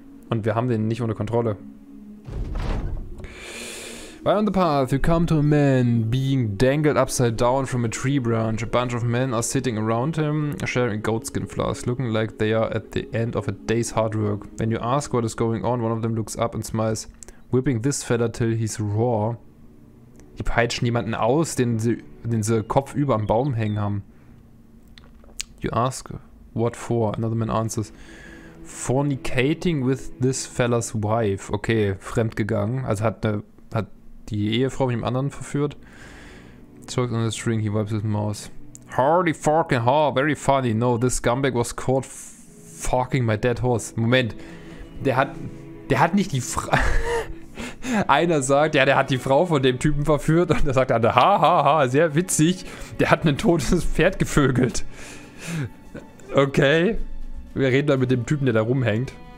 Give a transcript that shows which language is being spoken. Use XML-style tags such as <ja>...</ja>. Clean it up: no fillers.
<de>Und wir haben den nicht unter Kontrolle.</de> <en>While on the path, you come to a man being dangled upside down from a tree branch. A bunch of men are sitting around him, sharing goatskin flask, looking like they are at the end of a day's hard work. When you ask what is going on, one of them looks up and smiles, whipping this fella till he's raw.</en> <de>Die peitschen jemanden aus, den sie Kopf über am Baum hängen haben.</de> <en>You ask, what for? Another man answers, fornicating with this fella's wife.</en> <de>Okay, fremdgegangen, also hat die Ehefrau mit dem anderen verführt.</de> <en>Zurück on the string, he wipes his mouth. Hardy fucking ha, very funny. No, this scumbag was caught fucking my dead horse.</en> <de>Moment. Der hat nicht die Frau. Einer sagt, ja, der hat die Frau von dem Typen verführt. Und der sagt, ha ha ha, sehr witzig. Der hat ein totes Pferd gevögelt. Okay. Wir reden dann mit dem Typen, der da rumhängt.</de>